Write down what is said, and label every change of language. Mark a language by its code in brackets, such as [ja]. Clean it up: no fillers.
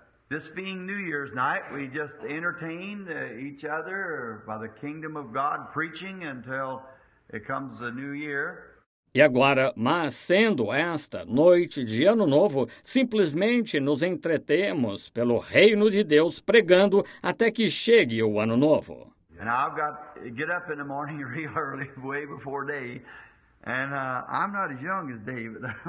[en] This being New Year's night, we just entertained each other by the kingdom of God preaching until it comes the new year. [pt] E agora, mas sendo esta noite de Ano Novo, simplesmente nos entretemos pelo reino de Deus pregando até que chegue o Ano Novo. [en] And I've got to get up in the morning really early, way before day. And I'm not as young as David.